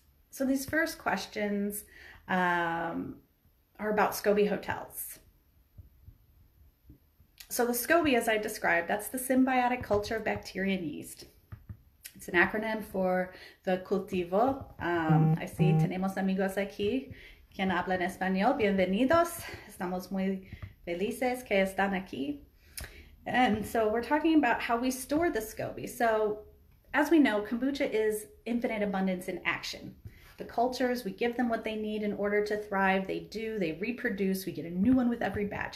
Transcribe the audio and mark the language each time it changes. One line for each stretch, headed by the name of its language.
English: So these first questions are about SCOBY hotels. So the SCOBY, as I described, that's the symbiotic culture of bacteria and yeast. It's an acronym for the cultivo. I see
Spanish: tenemos amigos aquí quien habla en español. Bienvenidos. Estamos muy felices que están aquí.
English: And so we're talking about how we store the SCOBY. So as we know, kombucha is infinite abundance in action. The cultures, we give them what they need in order to thrive. They do, they reproduce, we get a new one with every batch.